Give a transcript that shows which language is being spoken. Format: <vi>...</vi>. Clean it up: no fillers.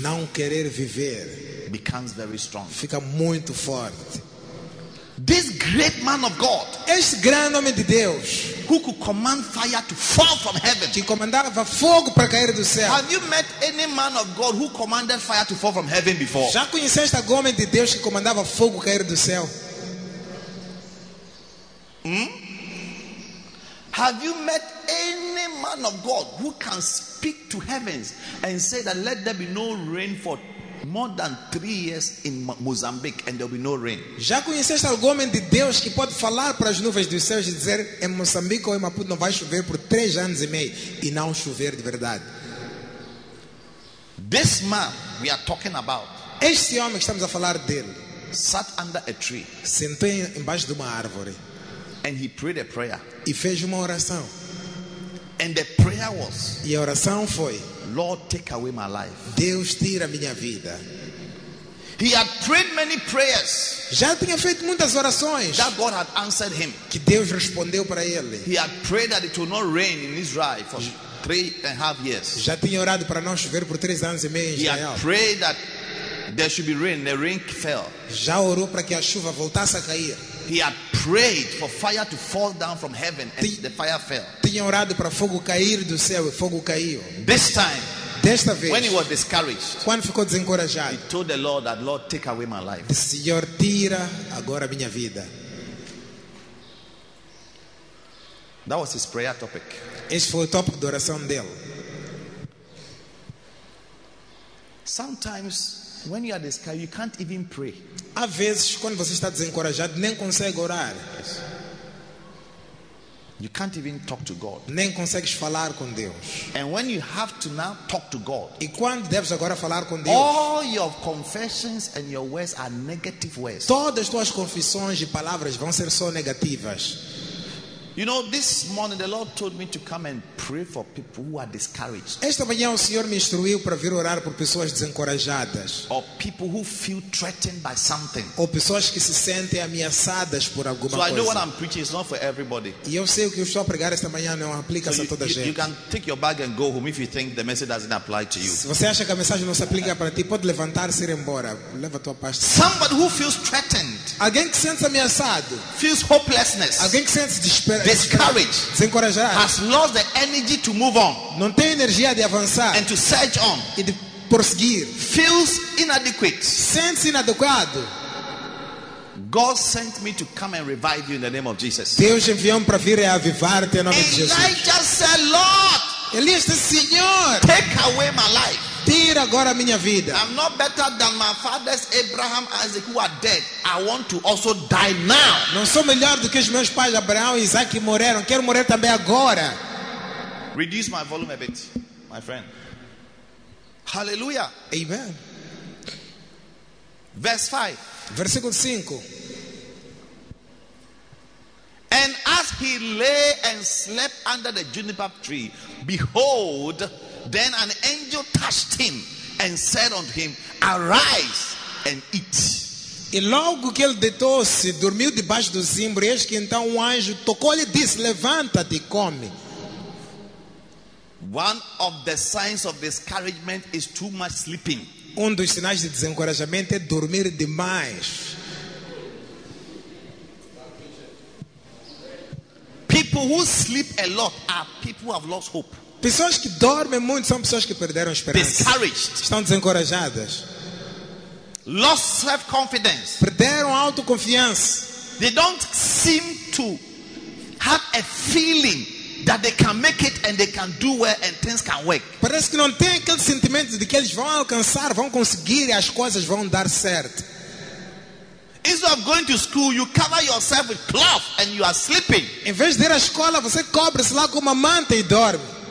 <pt>não querer viver,</pt> <en>becomes very strong.</en> <pt>Fica muito forte.</pt> <en>This great man of God,</en> <pt>este grande homem de Deus,</pt> <en>who could command fire to fall from heaven,</en> <pt>que comandava fogo para cair do céu.</pt> <en>Have you met any man of God who commanded fire to fall from heaven before?</en> <pt>Já conheceste algum homem de Deus que comandava fogo cair do céu?</pt> <en>Have you met any man of God who can speak to heavens and say that let there be no rain for more than 3 years in Mozambique and there will be no rain?</en> <pt>Já conheceste algum homem de Deus que pode falar para as nuvens dos céus e dizer em Moçambique ou em Maputo não vai chover por 3 anos e meio e não chover de verdade?</pt> <en>This man we are talking about,</en> <pt>este homem que estamos a falar dele,</pt> <en>sat under a tree,</en> <pt>sentou embaixo de uma árvore,</pt> <en>and he prayed a prayer.</en> <pt>E fez uma oração.</pt> <en>And the prayer was,</en> <pt>e a oração foi,</pt> <en>Lord, take away my life.</en> <pt>Deus, tira a minha vida.</pt> <en>He had prayed many prayers.</en> <pt>Já tinha feito muitas orações.</pt> <en>That God had answered him.</en> <pt>Que Deus respondeu para ele.</pt> <en>He had prayed that it will not rain in Israel for 3.5 years.</en> <pt>Já tinha orado para não chover por 3 anos e meio em Israel.</pt> <en>He had prayed that there should be rain. The rain fell.</en> <pt>Já orou para que a chuva voltasse a cair.</pt> <en>He had prayed for fire to fall down from heaven and the fire fell.</en> <pt>Tinha orado para fogo cair do céu e fogo caiu.</pt> <en>This time,</en> <pt>desta vez,</pt> <en>when he was discouraged,</en> <pt>quando ficou desencorajado,</pt> <en>he told the Lord that, Lord, take away my life.</en> <pt>Senhor, tira agora minha vida.</pt> <en>That was his prayer topic.</en> <pt>Esse foi o tópico de oração dele.</pt> <en>Sometimes when you are discouraged, you can't even pray.</en> <pt>Há vezes quando você está desencorajado, nem consegue orar.</pt> <en>Yes. You can't even talk to God.</en> <pt>Nem consegues falar com Deus.</pt> <en>And when you have to now talk to God,</en> <pt>e quando deves agora falar com Deus,</pt> <en>all your confessions and your words are negative words.</en> <pt>Todas as tuas confissões e palavras vão ser só negativas.</pt> <en>You know, this morning the Lord told me to come and pray for people who are discouraged.</en> <pt>Esta manhã o Senhor me instruiu para vir orar por pessoas desencorajadas.</pt> <en>Or people who feel threatened by something.</en> <pt>Ou pessoas que se sentem ameaçadas por alguma coisa.</pt> <en>So I know what I'm preaching is not for everybody.</en> <pt>E eu sei o que eu estou a pregar esta manhã não aplica a toda a gente.</pt> <en>You can take your bag and go home if you think the message doesn't apply to you.</en> <pt>Se você acha que a mensagem não se aplica para ti, pode levantar-se e ir embora. Leva a tua pasta.</pt> <en>Somebody who feels threatened.</en> <pt>Alguém que sente ameaçado.</pt> <en>Feels hopelessness.</en> <pt>Alguém que sente desespero.</pt> <en>Discouraged, has lost the energy to move on.</en> <pt>Não tem energia de avançar.</pt> <en>And to search on.</en> <pt>E de prosseguir.</pt> <en>Feels inadequate.</en> <pt>Sente-se inadequado.</pt> <en>God sent me to come and revive you in the name of Jesus.</en> <pt>Deus enviou-me para vir e avivar-te em nome de Jesus.</pt> <en>Elijah said, Lord,</en> <pt>Elias disse, Senhor,</pt> <en>take away my life.</en> <pt>Tira agora a minha vida.</pt> <en>I'm not better than my fathers Abraham and Isaac who are dead. I want to also die now.</en> <pt>Não sou melhor do que os meus pais Abraão e Isaac que morreram. Quero morrer também agora.</pt> <en>Reduce my volume a bit, my friend. Hallelujah. Amen. Verse 5. And as he lay and slept under the juniper tree, behold, then an angel touched him and said unto him, arise and eat.</en> <pt>E logo que ele deitou-se, dormiu debaixo do zimbro, eis que então anjo tocou-lhe e disse, levanta-te e come.</pt> <en>One of the signs of discouragement is too much sleeping.</en> <pt>Um dos sinais de desencorajamento é dormir demais.</pt> <en>People who sleep a lot are people who have lost hope.</en> <pt>Pessoas que dormem muito são pessoas que perderam esperança.</pt> <en>Discouraged.</en> <pt>Estão desencorajadas.</pt> <en>Lost self-confidence.</en> <pt>Perderam a autoconfiança.</pt> <en>They don't seem to have a feeling that they can make it and they can do well and things can work.</en> <pt>Parece que não tem aquele sentimento de que eles vão alcançar, vão conseguir e as coisas vão dar certo.</pt> <en>Instead of going to school, you cover yourself with cloth and you are sleeping.</en> <pt>Em vez de ir à escola, você cobre-se lá com uma manta e dorme.</pt>